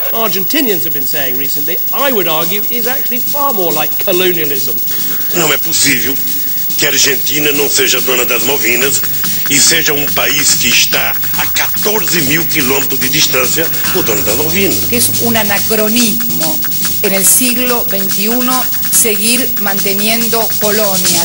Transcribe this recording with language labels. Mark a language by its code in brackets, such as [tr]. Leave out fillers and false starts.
[en] Argentinians have been saying recently, I would argue, is actually far more like colonialism. [pt] Não é possível que a Argentina não seja dona das Malvinas e seja país que está a 14.000 quilômetros de distância do dono das Malvinas. [es] Que es un anacronismo en el siglo XXI seguir manteniendo colonias.